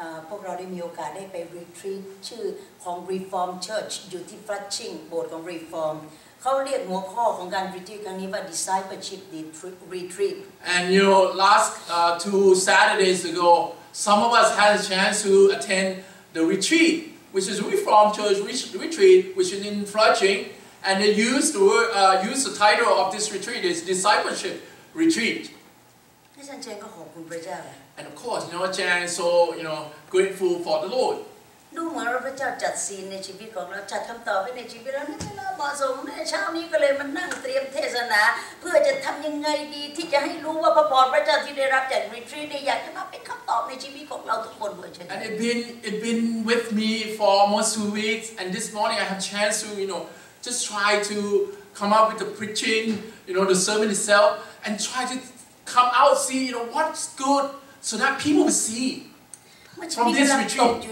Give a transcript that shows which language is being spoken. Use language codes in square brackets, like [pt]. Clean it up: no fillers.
[th] พวกเราได้มีโอกาสได้ไปรีทรีตชื่อของ Reform Church อยู่ที่ Flushing โบสถ์ของ Reform เขาเรียกหัวข้อของการรีทรีตครั้งนี้ว่า Discipleship Retreat [en] And you know last two Saturdays ago some of us had a chance to attend the retreat which is Reform Church retreat which is in Flushing and they used the word used the title of this retreat is Discipleship Retreat [th] ท่านเจนก็ขอบคุณพระเจ้า [en] And of course, you know, Jan, so, you know, grateful for the Lord. [th] ดูเหมือนพระเจ้าจัดซีนในชีวิตของเราจัดคำตอบไว้ในชีวิตเราไม่ใช่หรอเหมาะสมเช้านี้ก็เลยมานั่งเตรียมเทศนาเพื่อจะทำยังไงดีที่จะให้รู้ว่าพระพรพระเจ้าที่ได้รับจากรีทรีตได้อยากจะมาเป็นคำตอบในชีวิตของเราทุกคนเหมือนกัน [en] And it been with me for almost 2 weeks, and this morning I have chance to, you know, just try to come up with the preaching, you know, the sermon itself, and try to come out see, you know, what's good. So that people will see from this retreat.